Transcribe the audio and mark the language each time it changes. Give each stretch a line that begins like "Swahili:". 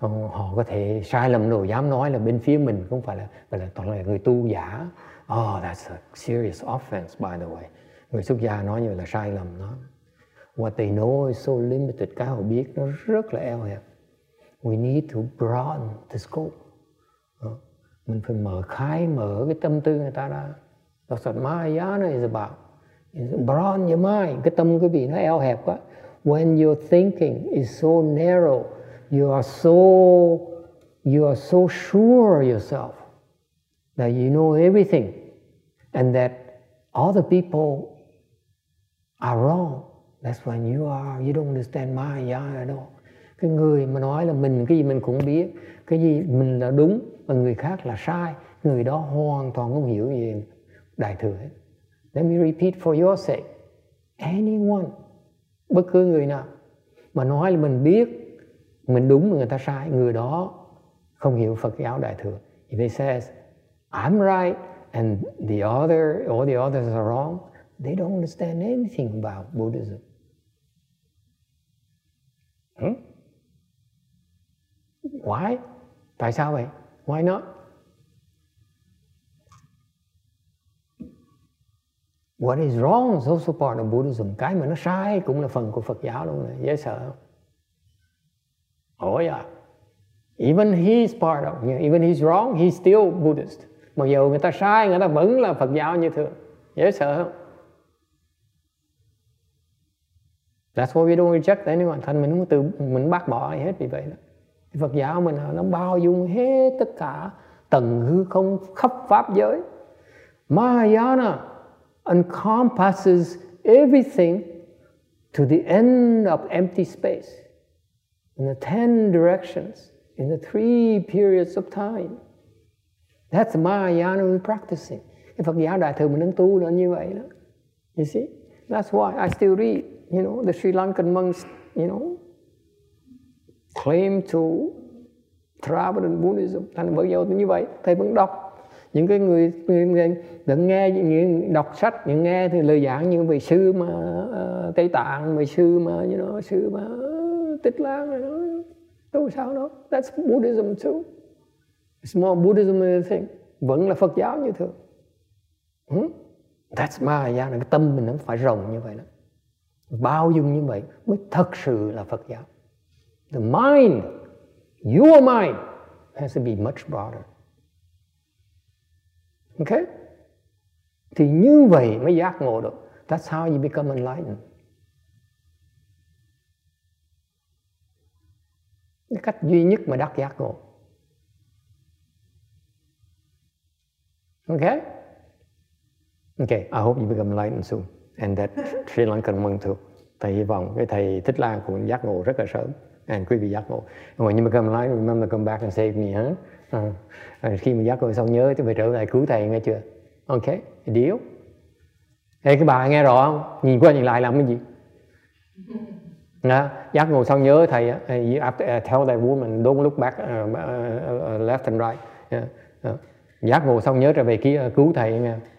Vietnamese: Họ có thể sai lầm rồi dám nói là bên phía mình không phải là toàn là người tu giả.
English: Oh, that's a serious offense, by the way.
Vietnamese: Người xuất gia nói như là sai lầm đó.
English: What they know is so limited.
Vietnamese: Cái họ biết nó rất là eo hẹp.
English: We need to broaden the scope.
Vietnamese: Mình phải mở cái tâm tư người ta ra.
English: That's what Mahayana is about. It's broaden your mind.
Vietnamese: Cái tâm quý vị nó eo hẹp quá.
English: When your thinking is so narrow, you are so sure of yourself that you know everything and that all the people are wrong. That's when you don't understand Mahayana at all.
Vietnamese: Cái người mà nói là mình cái gì mình cũng biết, cái gì mình là đúng và người khác là sai, người đó hoàn toàn không hiểu gì đại thừa hết.
English: Let me repeat for your sake. Anyone,
Vietnamese: bất cứ người nào mà nói là mình biết, mình đúng mà người ta sai, người đó không hiểu Phật giáo đại thừa.
English: If they says I'm right and all the others are wrong, they don't understand anything about Buddhism. Why?
Vietnamese: Tại sao vậy?
English: Why not? What is wrong is also part of Buddhism.
Vietnamese: Cái mà nó sai cũng là phần của Phật giáo luôn này. Dễ sợ không?
English: Oh yeah. Even he's wrong, he's still Buddhist.
Vietnamese: Mặc dù người ta sai, người ta vẫn là Phật giáo như thường. Dễ sợ không?
English: That's why we don't reject anyone.
Vietnamese: Thành mình không từ, mình bác bỏ ai hết vì vậy đó. Phật giáo mình nó bao dung hết tất cả tầng hư không khắp pháp giới.
English: Mahayana encompasses everything to the end of empty space in the 10 directions in the 3 periods of time. That's Mahayana we're practicing.
Vietnamese: Phật giáo đại thừa mình đang tu là như vậy đó.
English: You see? That's why I still read, you know, the Sri Lankan monks, you know, claim to Theravadan Buddhism,
Vietnamese: thành Phật giáo như vậy. Thầy vẫn đọc những cái người đã nghe những đọc sách, những nghe thì lời giảng những vị sư mà Tây Tạng, vị sư mà như nó sư mà Tích Lan rồi đâu sao đó.
English: That's Buddhism too. It's more Buddhism than anything.
Vietnamese: Vẫn là Phật giáo như thường.
English: That's Mahayana.
Vietnamese: Cái tâm mình nó phải rộng như vậy đó, bao dung như vậy mới thật sự là Phật giáo.
English: The mind, your mind has to be much broader. Okay?
Vietnamese: Thì như vậy mới giác ngộ được.
English: That's how you become enlightened.
Vietnamese: Cái cách duy nhất mà đắc giác ngộ.
English: Okay? Okay, I hope you become enlightened soon. And that Sri Lankan monk too.
Vietnamese: Thầy hy vọng cái thầy Thích Lan cũng giác ngộ rất là sớm. And quý vị giác ngộ.
English: And when you become enlightened, remember to come back and save me, huh?
Vietnamese: Khi mà giác ngộ xong nhớ thì phải trở lại cứu thầy, nghe chưa?
English: Okay, deal.
Vietnamese: Ê, cái bà nghe rõ không? Nhìn qua nhìn lại làm cái gì? Giác ngộ xong nhớ thầy,
English: you have to tell that woman, don't look back left and right.
Vietnamese: Giác ngộ xong nhớ trở về kia cứu thầy nghe.